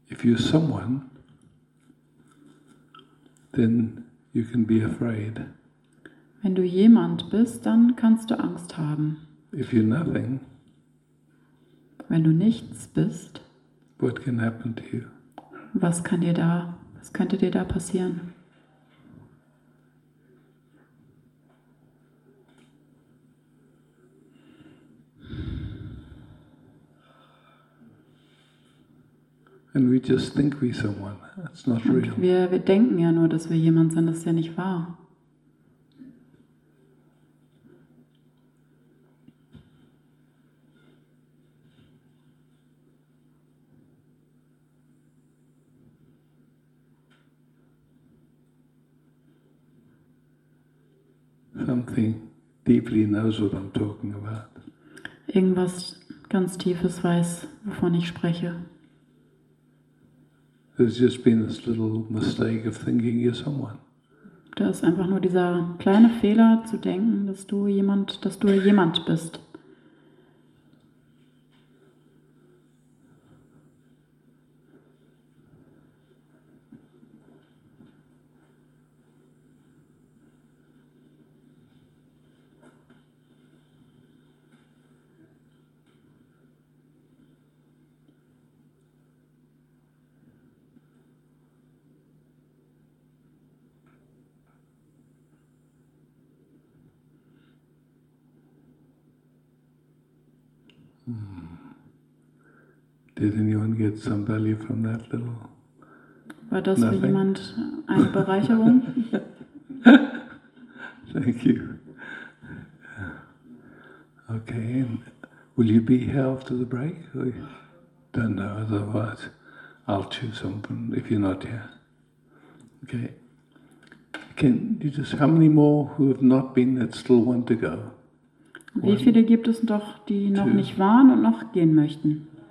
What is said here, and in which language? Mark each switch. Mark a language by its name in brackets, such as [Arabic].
[English] you're someone, then you can be afraid. [German] Wenn du jemand bist, dann kannst du Angst haben. [English] If you're nothing, [German] wenn du nichts bist, [English] what can happen to you? [German] Was könnte dir da passieren? [English] And we just think we're someone. That's not real. [German] Wir denken ja nur, dass wir jemand sind, das ist ja nicht wahr. [English] Something deeply knows what I'm talking about. [German] Irgendwas ganz Tiefes weiß, wovon ich spreche. [English] There's just been this little mistake of thinking you're someone. [German] Da ist einfach nur dieser kleine Fehler zu denken, dass du jemand bist. [English] Did anyone get some value from that little? [German] War das nothing? Für jemand eine Bereicherung? [English] Thank you. Okay, and will you be here after the break? I don't know, otherwise I'll choose something if you're not here. Okay. Can you just, how many more who have not been that still want to go? [German] Wie viele gibt es doch, die noch nicht waren und noch gehen möchten?